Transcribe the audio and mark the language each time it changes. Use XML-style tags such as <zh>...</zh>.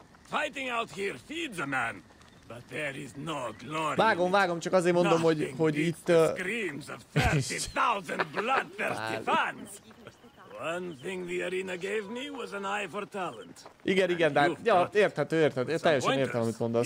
<en>Fighting out here feeds a man. But there is no glory.</en> <hu>Vágom, vágom, csak azért mondom, hogy itt...</hu> <en>Screams of 30,000 bloodthirsty fans. One thing the arena gave me was an eye for talent.</en> <hu>Igen, igen, de ja, érthet, teljesen értem, amit mondasz.</hu>